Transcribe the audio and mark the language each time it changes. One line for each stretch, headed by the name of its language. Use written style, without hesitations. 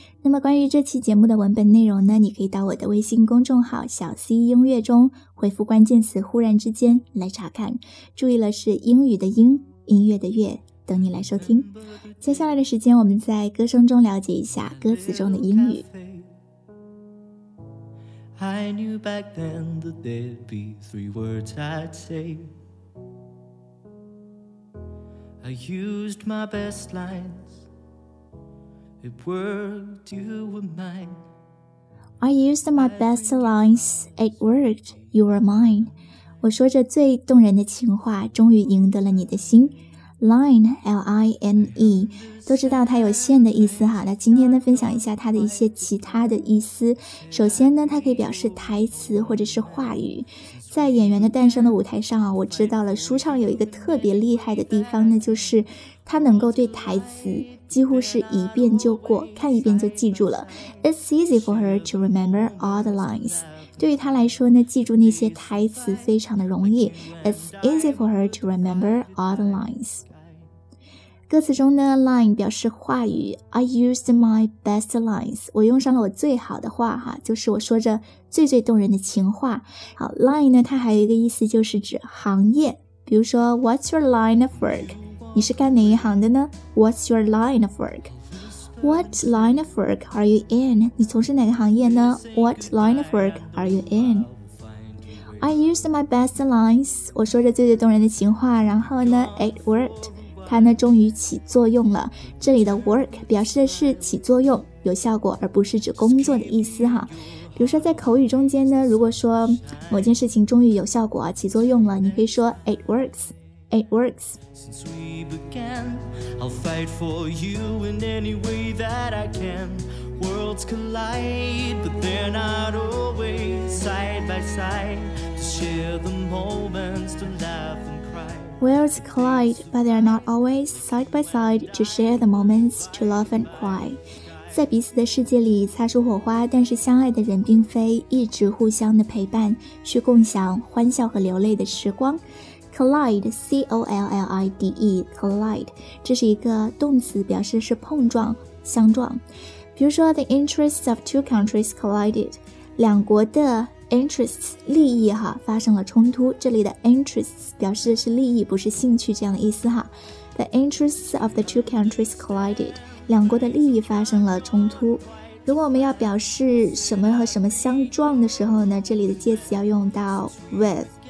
Chinese: 那么关于这期节目的文本内容呢，你可以到我的微信公众号小 C 音乐中回复关键词忽然之间来查看，注意了，是英语的英，音乐的乐，等你来收听。接下来的时间我们在歌声中了解一下歌词中的英语。
English: I knew back then that there'd be three words I'd sayI used my best lines. It worked, you were mine. I used my best lines. It worked, you were mine.
Chinese: 我说着最动人的情话，终于赢得了你的心。 Line, L-I-N-E, 都知道它有线的意思哈。那今天呢，分享一下它的一些其他的意思。首先呢，它可以表示台词或者是话语。在演员的诞生的舞台上啊，我知道了舒畅有一个特别厉害的地方呢，就是他能够对台词几乎是一遍就过，看一遍就记住了。
English: It's easy for her to remember all the lines.
Chinese: 对于他来说呢，记住那些台词非常的容易。
English: It's easy for her to remember all the lines.
Chinese: 歌词中呢 line 表示话语
English: I used my best lines
Chinese: 我用上了我最好的话哈，就是我说着最最动人的情话好 line 呢它还有一个意思就是指行业比如说
English: What's your line of work?
Chinese: 你是干哪一行的呢
English: What's your line of work? What line of work are you in?
Chinese: 你从事哪个行业呢
English: What line of work are you in? I used my best lines,
Chinese: 我说着最最动人的情话然后呢
English: it worked,
Chinese: 它呢终于起作用了。这里的 work 表示的是起作用有效果而不是指工作的意思哈。比如说在口语中间呢如果说某件事情终于有效果起作用了你可以说
English: it works, it works. Since we began, I'll fight for you in any way that I can. Worlds collide, but they're not always side by side to share the moments to laugh and cry. Worlds collide, but they're not always side by side to share the moments to laugh and cry.
Chinese: 在彼此的世界里擦出火花，但是相爱的人并非一直互相的陪伴，去共享欢笑和流泪的时光。
English: Collide, C-O-L-L-I-D-E, collide.
Chinese: 这是一个动词，表示是碰撞、相撞。比如说
English: the interests of two countries collided
Chinese: 两国的 interests 利益哈发生了冲突这里的 interests 表示的是利益不是兴趣这样的意思哈
English: the interests of the two countries collided
Chinese: 两国的利益发生了冲突如果我们要表示什么和什么相撞的时候呢这里的介词要用到 with